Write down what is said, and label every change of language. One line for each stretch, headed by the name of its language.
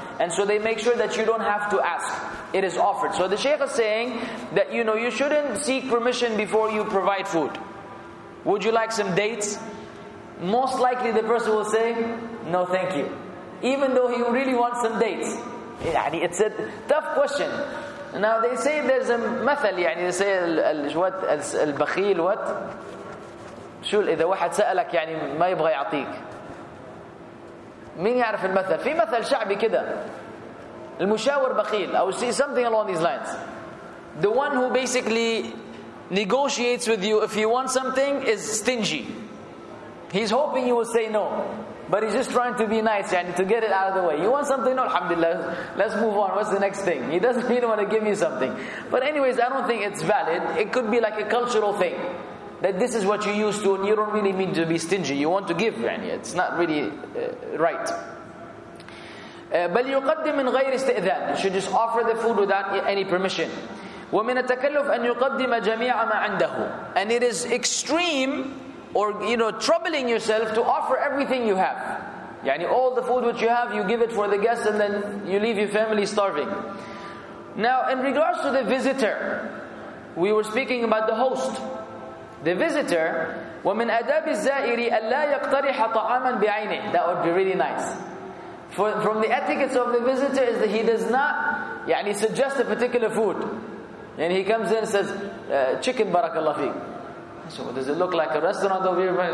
English: And so they make sure that you don't have to ask. It is offered. So the Shaykh is saying that, you know, you shouldn't seek permission before you provide food. Would you like some dates? Most likely the person will say, no, thank you. Even though he really wants some dates. It's a tough question. Now they say there's a method.
Arabic: يعني
English: they say what
Arabic: البخيل
English: what
Arabic: شو إذا واحد سألك يعني ما يبغى يعطيك. مين يعرف المثل؟ في مثل شعبي كده. المشاور بخيل.
English: I will see something along these lines. The one who basically negotiates with you if you want something is stingy. He's hoping you will say no. But he's just trying to be nice, yani, to get it out of the way. You want something? No, alhamdulillah. Let's move on. What's the next thing? He don't want to give you something. But anyways, I don't think it's valid. It could be like a cultural thing. That this is what you used to, and you don't really mean to be stingy. You want to give, yani. It's not really right.
Arabic: بَلْ يُقَدِّمْ مِنْ غَيْرِ استئذان.
English: You should just offer the food without any permission.
Arabic: وَمِنَ التَّكَلُّفِ أَنْ يُقَدِّمَ جَمِيعَ مَا عَنْدَهُ.
English: And it is extreme, or you know, troubling yourself to offer everything you have. Yani all the food which you have, you give it for the guests, and then you leave your family starving. Now, in regards to the visitor, we were speaking about the host. The visitor,
Arabic: وَمِنْ أَدَابِ الزَّائِرِ أَلَّا يَقْتَرِحَ طَعَامًا بِعَيْنِهِ.
English: That would be really nice. From the etiquettes of the visitor is that he does not, yani, suggest a particular food. And he comes in and says, chicken, barakallah fi. So does it look like a restaurant over here?